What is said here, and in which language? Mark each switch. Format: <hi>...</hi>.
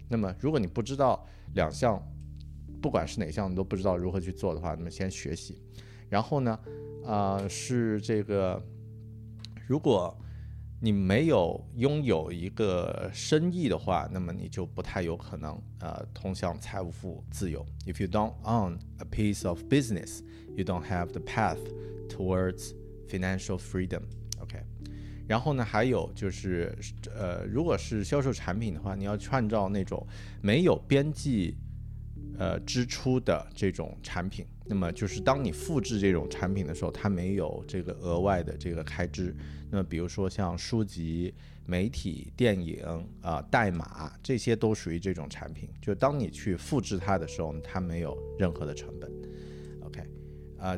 <zh>那么如果你不知道两项，不管是哪项你都不知道如何去做的话，那么先学习。然后呢是这个，如果你没有拥有一个生意的话，那么你就不太有可能通向财务自由。</zh> <en>If you don't own a piece of business, you don't have the path towardsfinancial freedom, OK.</en> <zh>然后呢还有就是如果是销售产品的话，你要创造那种没有边际支出的这种产品，那么就是当你复制这种产品的时候，它没有这个额外的这个开支。那么比如说像书籍、媒体、电影、代码，这些都属于这种产品，就当你去复制它的时候，它没有任何的成本， OK.</zh>